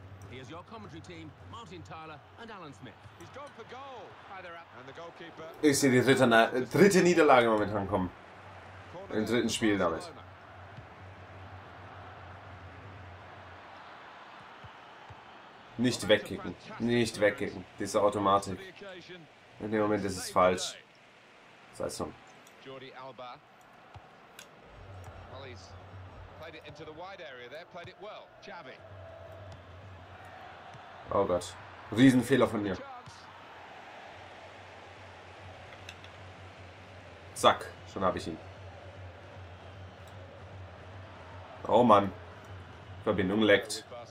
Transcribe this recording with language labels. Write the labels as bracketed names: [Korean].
[English] Here's your commentary team, Martin Tyler and Alan Smith. He's gone for goal. Hi there, and the goalkeeper. [German] Ich sehe die dritte Niederlage momentan kommen. Im dritten Spiel damit. Nicht wegkicken. Nicht wegkicken. Diese Automatik. In dem Moment ist es falsch. Sei es so. Jordi Alba. [English] Well, he's played it into the wide area there, played it well. Xavi. [German] Oh Gott, Riesenfehler von mir. Zack, schon habe ich ihn. Oh Mann, Verbindung leckt.